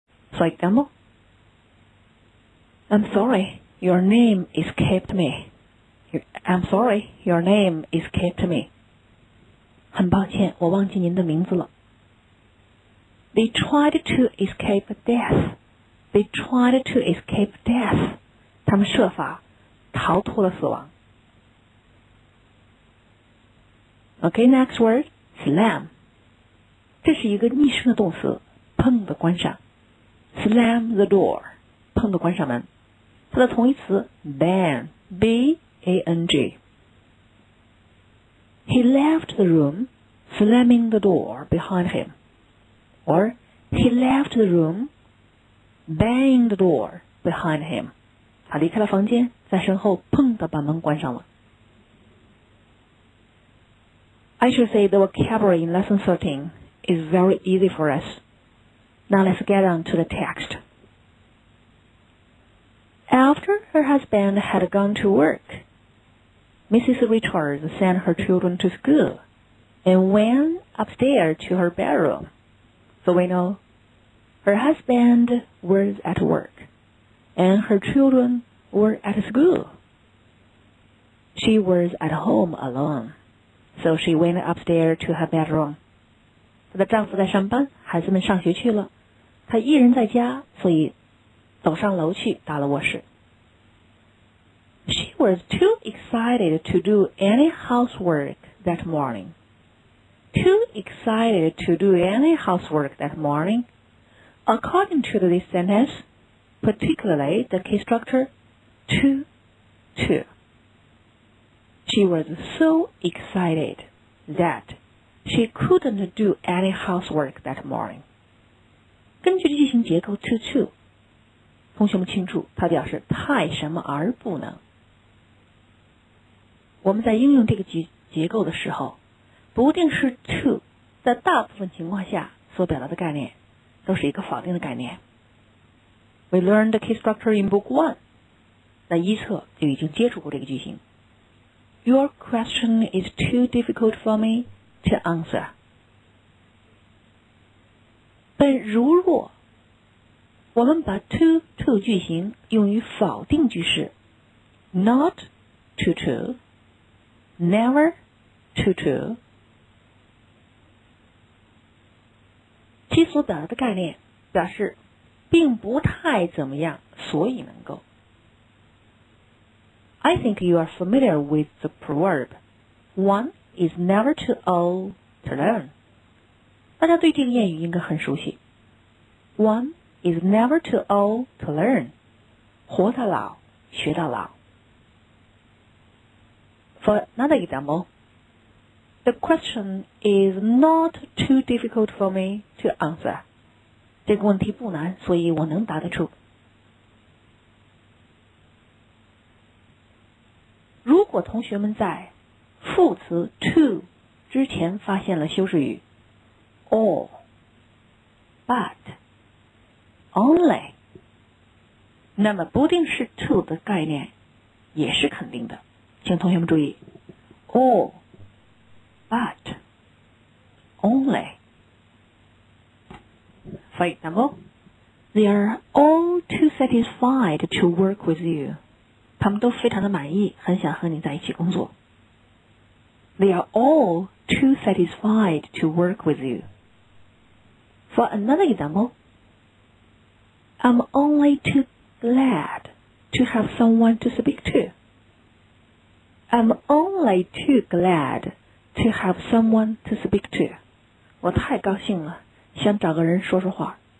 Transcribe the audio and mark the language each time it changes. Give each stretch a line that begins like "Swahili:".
English: It's like, Demo, I'm sorry, your name escaped me. I'm sorry, your name escaped me.
Chinese: 很抱歉，我忘记您的名字了。
English: They tried to escape death. They tried to escape death.
Chinese: 他们设法逃脱了死亡。
English: Okay, next word, slam.
Chinese: 这是一个逆声的动词，砰的关上。
English: Slam the door.
Chinese: 砰的关上门。它的同义词 bang,
English: B-A-N-G. He left the room, slamming the door behind him. Or, he left the room, banging the door behind him.
Chinese: 他离开了房间，在身后砰的把门关上了。
English: I should say the vocabulary in lesson 13 is very easy for us. Now let's get on to the text. After her husband had gone to work, Mrs. Richards sent her children to school and went upstairs to her bedroom. So we know her husband was at work and her children were at school. She was at home alone. So she went upstairs to her bedroom.
Chinese: 她的丈夫在上班，孩子们上学去了，她一人在家，所以走上楼去到了卧室。
English: She was too excited to do any housework that morning. Too excited to do any housework that morning. According to this sentence, particularly the key structure, to. She was so excited that she couldn't do any housework that morning.
Chinese: 根据句型结构 to, 同学们清楚，它表示太什么而不能。我们在应用这个结构的时候，不定式 to 在大部分情况下所表达的概念都是一个否定的概念。
English: We learned the key structure in book one.
Chinese: 在一册就已经接触过这个句型。
English: Your question is too difficult for me to answer.
Chinese: 但如若我们把 to 句型用于否定句式
English: ，not to, never to,
Chinese: 其所表达的概念表示并不太怎么样，所以能够。
English: I think you are familiar with the proverb, one is never too old to learn.
Chinese: 大家对这个谚语应该很熟悉。
English: One is never too old to learn.
Chinese: 活到老，学到老。
English: For another example, the question is not too difficult for me to answer.
Chinese: 这个问题不难，所以我能答得出。如果同学们在副词 to 之前发现了修饰语
English: all, but, only,
Chinese: 那么不定式 to 的概念也是肯定的。请同学们注意
English: all, but, only. For example, they are all too satisfied to work with you.
Chinese: 他们都非常的满意，很想和你在一起工作。
English: They are all too satisfied to work with you. For another example, I'm only too glad to have someone to speak to. I'm only too glad to have someone to speak to.
Chinese: 我太高兴了，想找个人说说话。